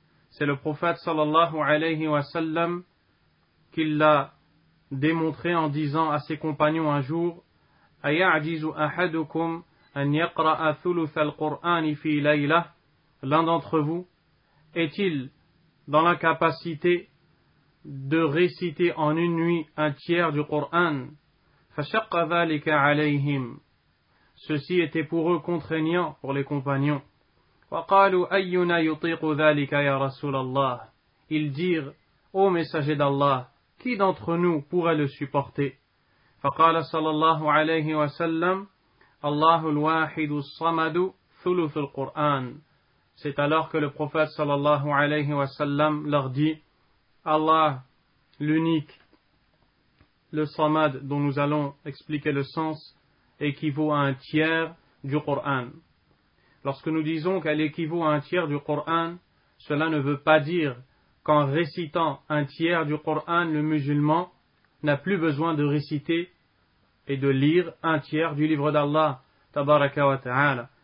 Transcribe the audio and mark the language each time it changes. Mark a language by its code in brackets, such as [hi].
[fr] C'est le prophète [ar] sallallahu alayhi wa sallam [fr] qui l'a démontré en disant à ses compagnons un jour: [ar] Aya'jizu ahadukum an yaqra'a thuluth al-Qur'an fi layla? [fr] L'un d'entre vous est-il dans l'incapacité de réciter en une nuit un tiers du Qur'an? [ar] Fashaqqa dhalika alayhim. [fr] Ceci était pour eux contraignant, pour les compagnons. [ar] وقالوا أينا يطيق ذلك يا رسول الله. [fr] Ils dirent: ô messager d'Allah, qui d'entre nous pourrait le supporter? [ar] فقال صلى الله عليه وسلم: الله الواحد الصمد ثلث القرآن. [fr] C'est alors que le prophète [ar] صلى الله عليه وسلم [fr] leur dit: Allah, l'unique, le Samad, dont nous allons expliquer le sens, équivaut à un tiers du Coran. Lorsque nous disons qu'elle équivaut à un tiers du Coran, cela ne veut pas dire qu'en récitant un tiers du Coran, le musulman n'a plus besoin de réciter et de lire un tiers du livre d'Allah, [ar] tabaraka wa ta'ala.